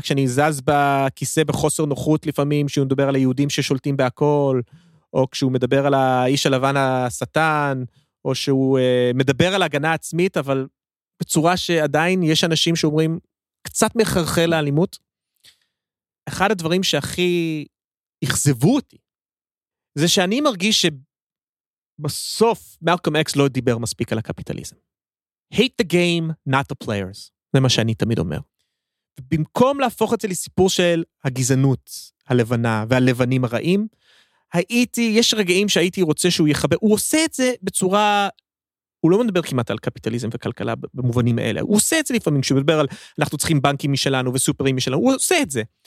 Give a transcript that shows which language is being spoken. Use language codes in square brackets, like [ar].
[he] כשאני זז בכיסא בחוסר נוחות לפעמים, שהוא מדבר על היהודים ששולטים בהכל, או כשהוא מדבר על האיש הלבן השטן, או שהוא מדבר על הגנה עצמית, אבל בצורה שעדיין יש אנשים שאומרים, קצת מחרחל לאלימות, אחד הדברים שהכי יחזבו אותי, זה שאני מרגיש שבסוף מלקום אקס לא דיבר מספיק על הקפיטליזם. [en] Hate the game, not the players. [he] זה מה שאני תמיד אומר. במקום להפוך את זה לסיפור של הגזענות הלבנה והלבנים הרעים, הייתי, יש רגעים שהייתי רוצה שהוא יחבא, הוא עושה את זה בצורה, הוא לא מדבר כמעט על קפיטליזם וכלכלה במובנים האלה, הוא עושה את זה לפעמים, כשהוא מדבר על אנחנו צריכים בנקים משלנו וסופרים משלנו, הוא עושה את זה.